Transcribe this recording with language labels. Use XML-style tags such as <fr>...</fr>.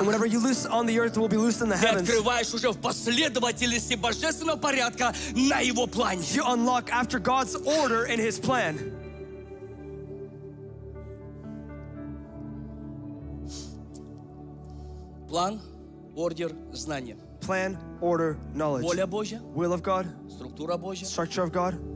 <en>And whatever you loose on the earth will be loosed in the heavens.</en> <ru>Открываешь уже в последовательности божественного порядка на его плане.</ru> <en>You unlock after God's order in his plan.</en> <ru>План, ордер, знание.</ru> <en>Plan, order, knowledge.</en> <ru>Воля Божья.</ru> <en>Will of God.</en> <ru>Структура Божья.</ru> <en>Structure of God.</en>